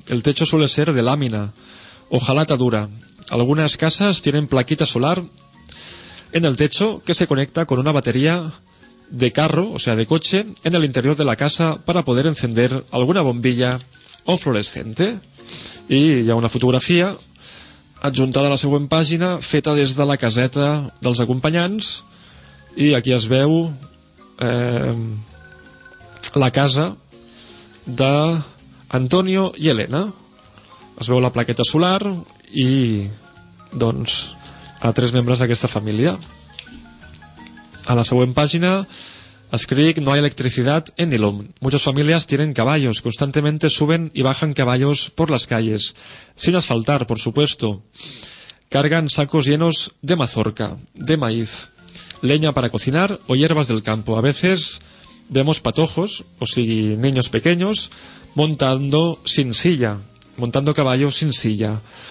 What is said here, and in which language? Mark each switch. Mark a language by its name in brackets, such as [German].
[Spanish] El techo suele ser de lámina, hojalata dura. Algunas casas tienen plaquita solar en el techo que se conecta con una batería de carro, o sea, de coche, en el interior de la casa para poder encender alguna bombilla o fluorescente. [Catalan] I hi ha una fotografia adjuntada a la següent pàgina, feta des de la caseta dels acompanyants, i aquí es veu la casa d'Antonio i Elena. Es veu la plaqueta solar i, doncs, a tres membres d'aquesta família. A la següent pàgina escric: [Spanish] no hay electricidad en Ilum. Muchas familias tienen caballos. Constantemente suben y bajan caballos por las calles. Sin asfaltar, por supuesto. Cargan sacos llenos de mazorca, de maíz, leña para cocinar o hierbas del campo. A veces vemos patojos, [Catalan] o sigui, [Spanish] niños pequeños, montando sin silla, montando caballos sin silla.